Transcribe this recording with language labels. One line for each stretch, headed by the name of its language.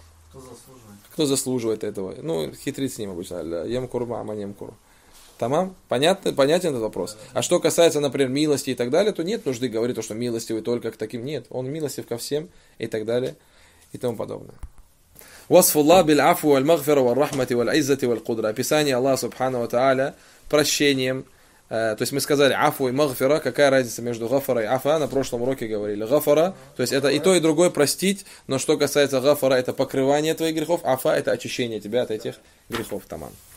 Russian: Кто заслуживает. Кто заслуживает этого? Ну, хитрит с ним обычно.
Arabic: Ямкуру маама ямкуру.
Russian: Тамам? Понятен этот вопрос? А что касается, например, милости и так далее, то нет нужды говорить, что милостивый только к таким. Нет, он милостив ко всем и так далее и тому подобное.
Arabic: وصف الله بالعفو والمغفرة والرحمة والعزة والقدرة.
Russian: Описание Аллаха Субхана ва Тааля прощением. То есть мы сказали афу и магфира, какая разница между гафара и афа, на прошлом уроке говорили. Гафара, то есть это и то, и другое простить, но что касается гафара, это покрывание твоих грехов, афа это очищение тебя от этих грехов. Таман.